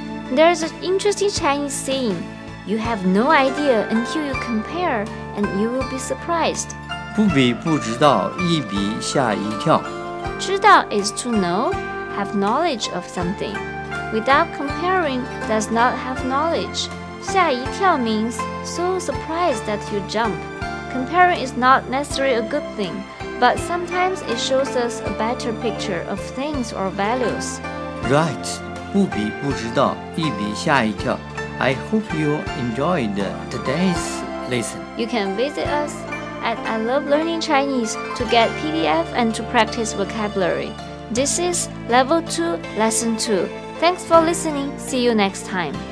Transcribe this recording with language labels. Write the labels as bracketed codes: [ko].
[en] There's an interesting Chinese saying, you have no idea until you compare, and you will be surprised. [zh] 不比不知道，一比吓一跳。 [en] 知道 is to know, have knowledge of something. Without comparing, does not have knowledge. 吓一跳 means so surprised that you jump. Comparing is not necessarily a good thing, but sometimes it shows us a better picture of things or values. Right. [zh] 不比不知道，一比吓一跳。 [en] I hope you enjoyed today's lesson. You can visit us at I Love Learning Chinese to get PDF and to practice vocabulary. This is Level 2, Lesson 2.Thanks for listening. See you next time.